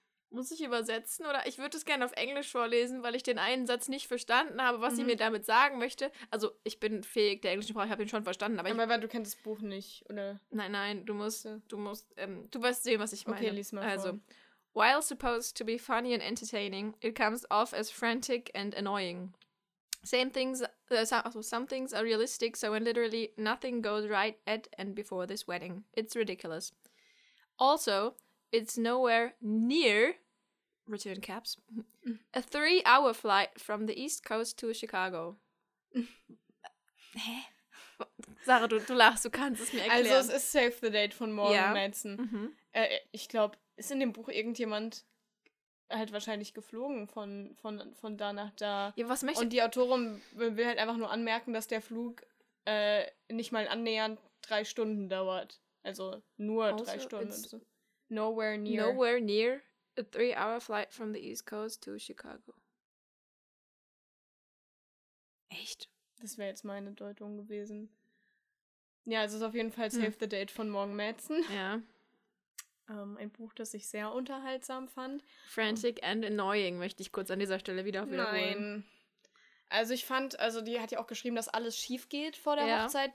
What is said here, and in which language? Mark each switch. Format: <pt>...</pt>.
<de>Muss ich übersetzen? Oder ich würde es gerne auf Englisch vorlesen, weil ich den einen Satz nicht verstanden habe, was sie mir damit sagen möchte. Also ich bin fähig der englischen Sprache, ich habe ihn schon verstanden. Aber weil du kennst das Buch nicht, oder? Nein, du wirst sehen, was ich meine. Okay, lies mal vor.</de> <en>Also, while supposed to be funny and entertaining, it comes off as frantic and annoying. Some things are realistic, so when literally nothing goes right at and before this wedding. It's ridiculous. Also, it's nowhere near, return caps, a 3-hour flight from the East Coast to Chicago.</en> <de>Hä? Sarah, du lachst, du kannst es mir erklären. Also, es ist Save the Date von Morgan Manson. Mhm. Ich glaube, ist in dem Buch irgendjemand... halt wahrscheinlich geflogen von da nach da. Ja, was möchte... Und die Autorin will halt einfach nur anmerken, dass der Flug nicht mal annähernd 3 Stunden dauert. Also nur also 3 Stunden. So.</de> <en>Nowhere near. Nowhere near a 3-hour flight from the East Coast to Chicago.</en> <de>Echt? Das wäre jetzt meine Deutung gewesen. Ja, also es ist auf jeden Fall Save the Date von Morgan Madsen. Ja. Ein Buch, das ich sehr unterhaltsam fand.</de> <en>Frantic and Annoying</en> <de>möchte ich kurz an dieser Stelle wiederholen. Nein. Also ich fand, also die hat ja auch geschrieben, dass alles schief geht vor der Hochzeit.</de>